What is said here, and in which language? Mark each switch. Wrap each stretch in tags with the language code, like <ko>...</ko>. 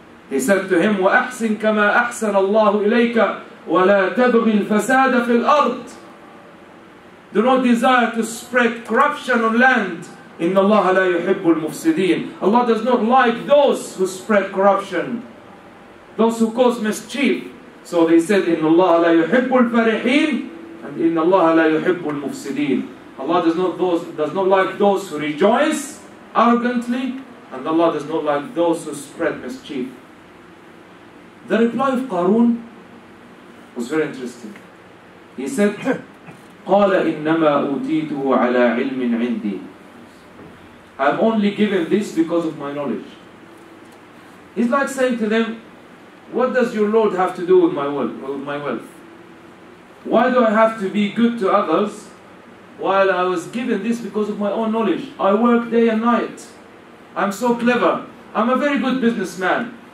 <en>He said to him,</en> <ar>وَأَحْسِنْ كَمَا أَحْسَنَ اللَّهُ إِلَيْكَ وَلَا تَبْغِي الْفَسَادَ فِي الْأَرْضِ.</ar> <en>Do not desire to spread corruption on land.</en> <ar>إِنَّ اللَّهَ لَا يُحِبُّ الْمُفْسِدِينَ.</ar> <en>Allah does not like those who spread corruption, those who cause mischief. So they said,</en> <ar>إِنَّ اللَّهَ لَا يُحِبُّ الْفَرِحِينَ</ar> <en>and</en> <ar>إِنَّ اللَّهَ لَا يُحِبُّ الْمُفْسِدِينَ.</ar> <en>Allah does not like those who rejoice arrogantly, and Allah does not like those who spread mischief. The reply of Qarun was very interesting. He said,</en> <ar>قَالَ إِنَّمَا أُوتِيتُهُ عَلَىٰ عِلْمٍ عِنْدِي.</ar> <en>I'm only given this because of my knowledge. He's like saying to them, what does your Lord have to do with my wealth? Why do I have to be good to others while I was given this because of my own knowledge? I work day and night. I'm so clever. I'm a very good businessman.</en>